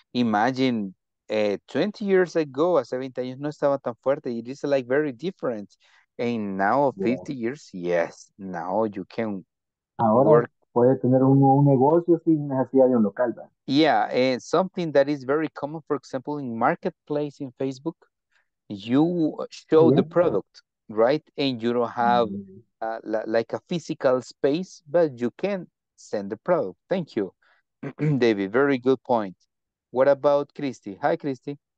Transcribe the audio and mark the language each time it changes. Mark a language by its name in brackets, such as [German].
[English] Imagine 20 years ago, [Spanish] hace 20 años no estaba tan fuerte. [English] It is like very different. And now 50 years, yes. Now you can [Spanish] ahora, [English] work [Spanish] puede tener un negocio sin necesidad de un local, ¿verdad? [English] Yeah, and something that is very common, for example, in Marketplace in Facebook, you show the product, right? And you don't have like a physical space, but you can send the product. Thank you, David. Very good point. What about Christy? Hi, Christy.